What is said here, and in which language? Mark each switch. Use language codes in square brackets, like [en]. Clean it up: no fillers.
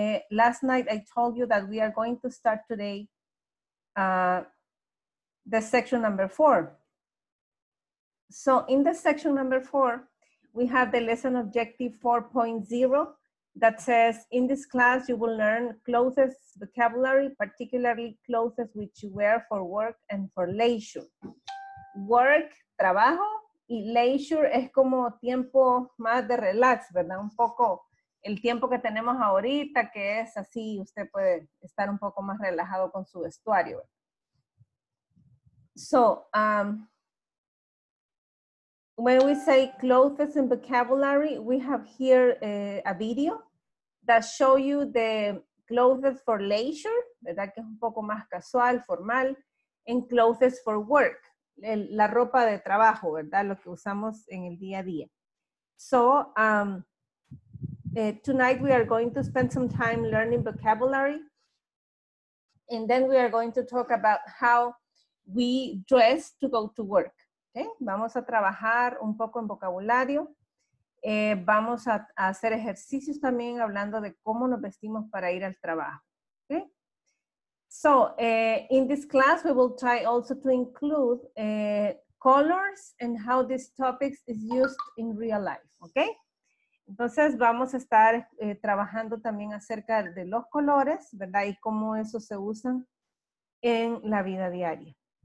[en] Last night I told you that we are going to start today the section number 4. So in the section number 4, we have the lesson objective 4.0 that says, in this class, you will learn clothes vocabulary, particularly clothes which you wear for work and for leisure. [es] Work, trabajo, y leisure es como tiempo más de relax, ¿verdad? Un poco el tiempo que tenemos ahorita, que es así, usted puede estar un poco más relajado con su vestuario. [en] So, when we say clothes and vocabulary, we have here a video that show you the clothes for leisure, ¿verdad? [es] Que es un poco más casual, formal, [en] and clothes for work, [es] la ropa de trabajo, ¿verdad? Lo que usamos en el día a día. [en] So, tonight we are going to spend some time learning vocabulary, and then we are going to talk about how we dress to go to work. [es] Okay? Vamos a trabajar un poco en vocabulario. Vamos a hacer ejercicios también hablando de cómo nos vestimos para ir al trabajo. [en] Okay? So, in this class, we will try also to include colors and how this topic is used in real life. Okay? [es] Entonces, vamos a estar trabajando también acerca de los colores, ¿verdad? Y cómo eso se usan en la vida diaria.